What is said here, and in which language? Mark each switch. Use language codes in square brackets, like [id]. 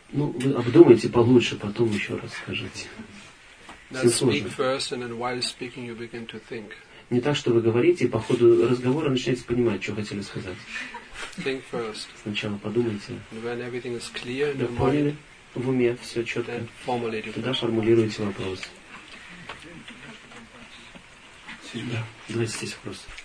[ru] Ну, вы обдумайте получше, потом еще раз скажите. [en] Speak first, and then while speaking, you begin to think. [ru] Не так, что вы говорите, и по ходу разговора начинаете понимать, что хотели сказать. [en] Think first. [ru] Сначала подумайте. [en] When everything is clear, [ru] да, поняли? В уме все четко. [en] Then formulate. [ru] Тогда формулируйте вопрос. Да, давайте здесь вопрос.